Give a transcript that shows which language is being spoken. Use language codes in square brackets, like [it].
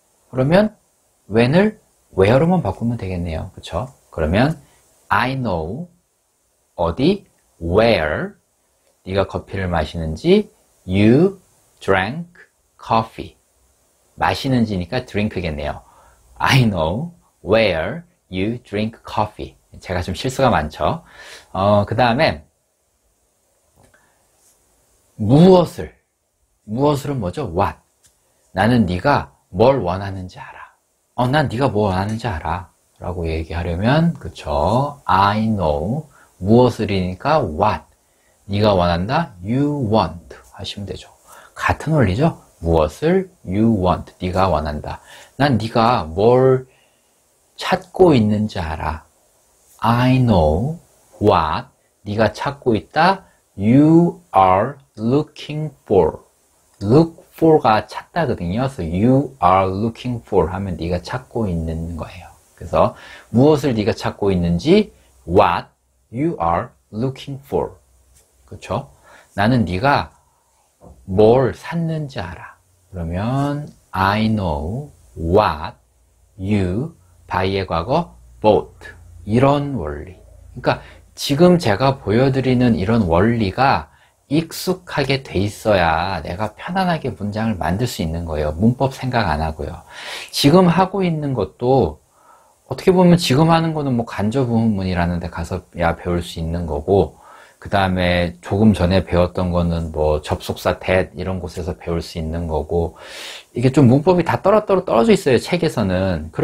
[ko] 그러면 when을 where로만 바꾸면 되겠네요. 그쵸? 그러면 [en] I know [ko] 어디, where 네가 커피를 마시는지 [en] you drank coffee [ko] 마시는지니까 drink겠네요. [en] I know where you drink coffee. [ko] 제가 좀 실수가 많죠. 그 다음에 무엇을은 뭐죠? [en] What. [ko] 나는 네가 뭘 원하는지 알아. 난 네가 뭘 원하는지 알아. 라고 얘기하려면, 그쵸. [en] I know. [ko] 무엇을이니까 what. 네가 원한다. [en] You want. [ko] 하시면 되죠. 같은 원리죠. 무엇을 [en] you want. [ko] 네가 원한다. 난 네가 뭘 찾고 있는지 알아. [en] I know what. [ko] 네가 찾고 있다. [en] You are looking for. [ko] Look for가 찾다거든요. [en] So you are looking for [ko] 하면 네가 찾고 있는 거예요. 그래서 무엇을 네가 찾고 있는지 [en] what you are looking for. [ko] 그렇죠? 나는 네가 뭘 샀는지 알아. [en] 그러면 I know what you by의 과거 bought. [ko] 이런 원리. 그러니까 지금 제가 보여드리는 이런 원리가 익숙하게 돼 있어야 내가 편안하게 문장을 만들 수 있는 거예요. 문법 생각 안 하고요. 지금 하고 있는 것도 어떻게 보면 지금 하는 거는 뭐 간접문이라는 데 가서야 배울 수 있는 거고, 그 다음에 조금 전에 배웠던 거는 뭐 접속사 that 이런 곳에서 배울 수 있는 거고, 이게 좀 문법이 다 떨어져 있어요, 책에서는.